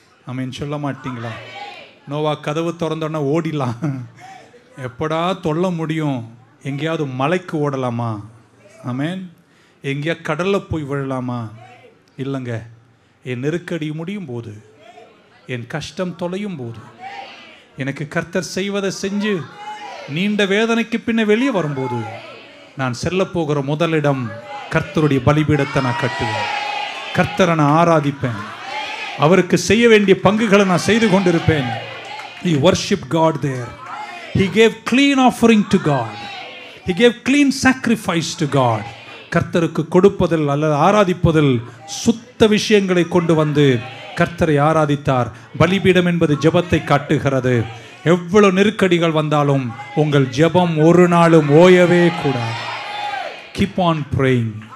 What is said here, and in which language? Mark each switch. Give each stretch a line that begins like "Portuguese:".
Tamil: ஆமென் சொல்ல மாட்டீங்களா? நோவா கதவு திறந்தோடனே ஓடிலாம், எப்படா தொல்ல முடியும், எங்கேயாவது மலைக்கு ஓடலாமா, ஆமென், எங்கேயா கடலில் போய் விழலாமா, இல்லைங்க, என் நெருக்கடி முடியும் போது, என் கஷ்டம் தொலையும் போது, எனக்கு கர்த்தர் செய்வதை செஞ்சு நீண்ட வேதனைக்கு பின்ன வெளியே வரும்போது நான் செல்ல போகிற முதலிடம் கர்த்தருடைய பலிபீடத்தை நான் கட்டுவேன். கர்த்தரை நான் ஆராதிப்பேன். அவருக்கு செய்ய வேண்டிய பங்குகளை நான் செய்து கொண்டிருப்பேன்.
English: He worship God there. He gave clean offering to God. He gave clean sacrifice to God.
Tamil: கர்த்தருக்கு கொடுப்பதில் அல்லது ஆராதிப்பதில் சுத்த விஷயங்களை கொண்டு வந்து கர்த்தரை ஆராதித்தார். பலிபீடம் என்பது ஜெபத்தை காட்டுகிறது. எவ்வளவு நெருக்கடிகள் வந்தாலும் உங்கள் ஜெபம் ஒரு நாளும் ஓயவே கூடாது.
English: Keep on praying.